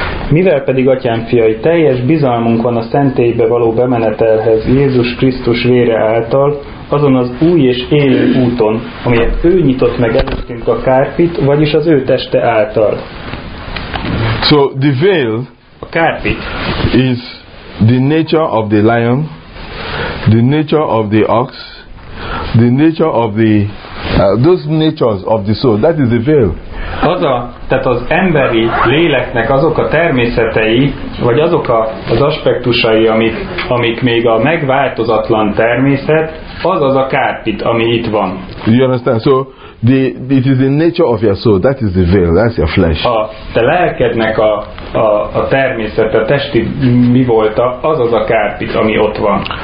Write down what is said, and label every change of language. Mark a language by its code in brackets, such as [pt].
[hu] Mivel pedig, atyám fiai, teljes bizalmunk van a szentélybe való bemenetelhez Jézus Krisztus vére által, azon az új és élő úton, amelyet ő nyitott meg előttünk a kárpit, vagyis az ő teste által. [en] So the veil, [hu] a kárpit, [en] is the nature of the lion, the nature of the ox, the nature of the those natures of the soul. That is the veil. [hu] Az a, tehát az emberi léleknek azok a természetei, vagy azok a az aspektusai, amik még a megváltozatlan természet, az a kárpit, ami itt van. [en] Do you understand? So it is the nature of your soul. That is the veil. That's your flesh. [hu] A te lelkednek a természet, a testi mi volta, az a kárpit, ami ott van.